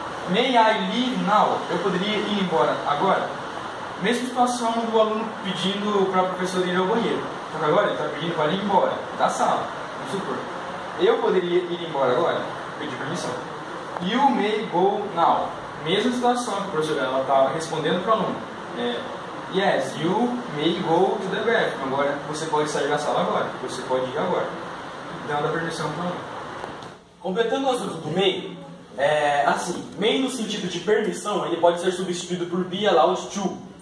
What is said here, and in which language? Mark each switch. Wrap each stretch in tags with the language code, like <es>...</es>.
<en>May I leave now,</en> <pt>eu poderia ir embora agora. Mesma situação do aluno pedindo para a professora ir ao banheiro. Então, agora ele está pedindo para ir embora da sala, vamos supor. Eu poderia ir embora agora. Pedir permissão.</pt> <en>You may go now.</en> <pt>Mesma situação que a professora está respondendo para o aluno.</pt> <en>Yes, you may go to the bathroom.</en> <pt>Agora você pode sair da sala agora. Você pode ir agora. Dando a permissão para o aluno. Completando o assunto do may, may no sentido de permissão, ele pode ser substituído por</pt> <en>be allowed to.</en>